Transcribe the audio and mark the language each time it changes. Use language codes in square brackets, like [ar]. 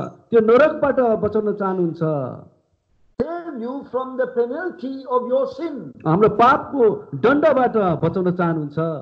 [ne] त्यो नरकबाट बचाउन चाहनुहुन्छ [en] save you from the penalty of your sin. [ne] हाम्रो पापको दण्डबाट बचाउन चाहनुहुन्छ